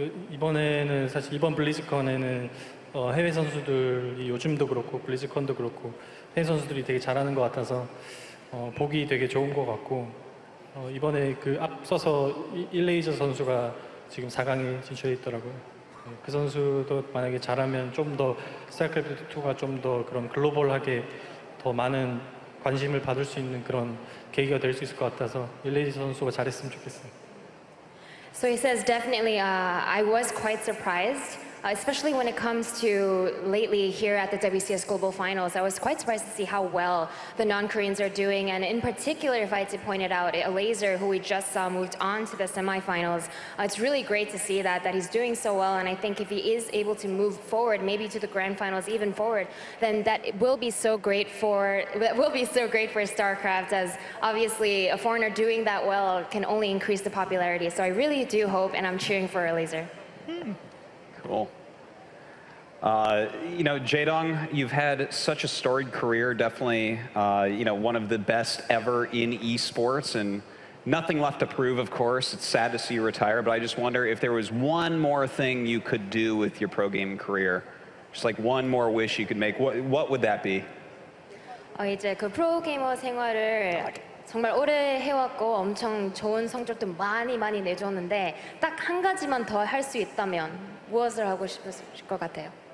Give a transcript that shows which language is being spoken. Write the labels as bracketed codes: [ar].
[ko] 이번에는 사실 이번 블리즈컨에는 해외 선수들이 요즘도 그렇고 블리즈컨도 그렇고 해외 선수들이 되게 잘하는 것 같아서 보기 되게 좋은 것 같고 이번에 그 앞서서 일레이저 선수가 지금 4강에 진출해 있더라고요. 그 선수도 만약에 잘하면 좀 더 스타크래프트 2가 좀 더 그런 글로벌하게 더 많은 관심을 받을 수 있는 그런 계기가 될 수 있을 것 같아서 일레이저 선수가 잘했으면 좋겠어요. [en] So he says definitely I was quite surprised especially when it comes to lately here at the WCS Global Finals. I was quite surprised to see how well the non-Koreans are doing, and in particular, if I had to point it out, Laser, who we just saw moved on to the semifinals. It's really great to see that he's doing so well, and I think if he is able to move forward, maybe to the grand finals, even forward, then that will be so great for StarCraft, as obviously a foreigner doing that well can only increase the popularity. So I really do hope, and I'm cheering for Laser. Cool. You know, Jadong, you've had such a storied career, definitely, you know, one of the best ever in esports, and nothing left to prove, of course. It's sad to see you retire, but I just wonder if there was one more thing you could do with your pro gaming career, just like one more wish you could make, what would that be? [ko] 이제 그 프로게이머 생활을 정말 오래 해왔고 엄청 좋은 성적도 많이 많이 내줬는데 딱 한 가지만 더 할 수 있다면 무엇을 하고 싶을 것 같아요?